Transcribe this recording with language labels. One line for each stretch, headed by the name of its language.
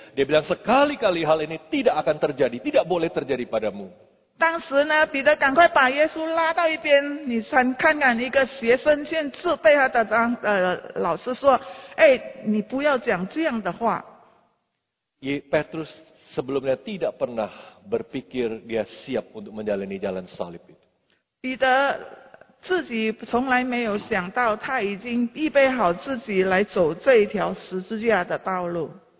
Indonesian: Dia bilang sekali-kali hal ini tidak akan terjadi, tidak boleh terjadi padamu.
Chinese: 当时呢，彼得赶快把耶稣拉到一边，你先看看一个学生先自备他的老师说，哎，你不要讲这样的话。
Indonesian: Petrus sebelumnya tidak pernah berpikir dia siap untuk menjalani jalan salib itu.
Chinese: 彼得自己从来没有想到他已经预备好自己来走这一条十字架的道路。